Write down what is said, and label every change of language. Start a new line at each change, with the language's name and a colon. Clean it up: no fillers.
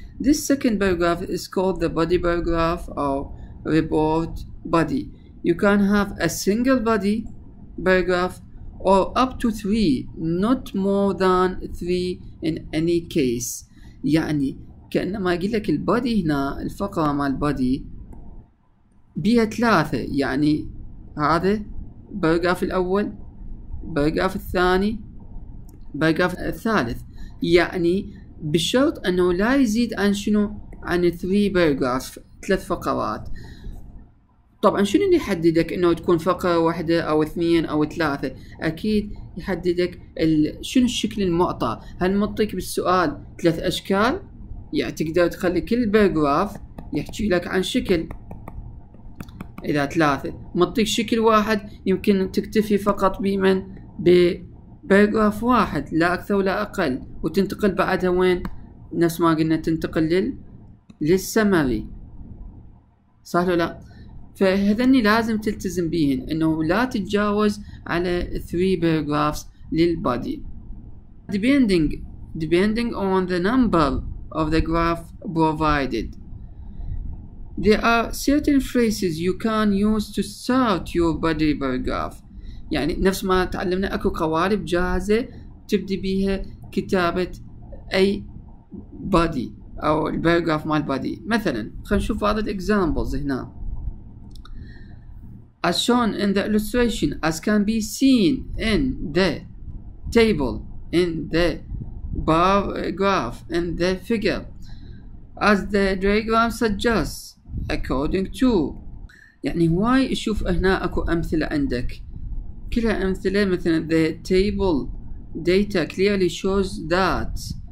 English: This second paragraph is called the body paragraph or report body. You can have a single body paragraph or up to three, not more than three in any case.
Arabic: يعني كأنما يقول لك البادي هنا، الفقرة مع البادي بيها ثلاثة، يعني هذا paragraph الأول، paragraph الثاني، paragraph الثالث. يعني بشرط انه لا يزيد عن شنو؟ عن 3 paragraphs، ثلاث فقرات. طبعا شنو اللي يحددك انه تكون فقره واحده او اثنين او ثلاثه؟ اكيد يحددك شنو الشكل المعطى. هل معطيك بالسؤال ثلاث اشكال يعني تقدر تخلي كل باراجراف يحكي لك عن شكل، إذا ثلاثة مطيك شكل واحد يمكن تكتفي فقط بمن بباراجراف واحد لا أكثر ولا أقل، وتنتقل بعدها وين؟ نفس ما قلنا تنتقل للسمري، صح ولا لا؟ فهذني لازم تلتزم بيهن، إنه لا تتجاوز على 3 paragraphs للبادي.
English: Depending on the number of the graph provided, there are certain phrases you can use to start your body paragraph.
Arabic: يعني نفس ما تعلمنا أكو قوالب جاهزة تبدي بيها كتابة أي body أو الباراجراف مال body. مثلا خلينا نشوف بعض الإكزامبلز هنا.
English: As shown in the illustration, as can be seen in the table, in the bar graph, in the figure, as the diagram suggests, according to.
Arabic: يعني هواي اشوف هنا اكو امثلة عندك، كلها امثلة مثلا
English: the table data clearly shows that.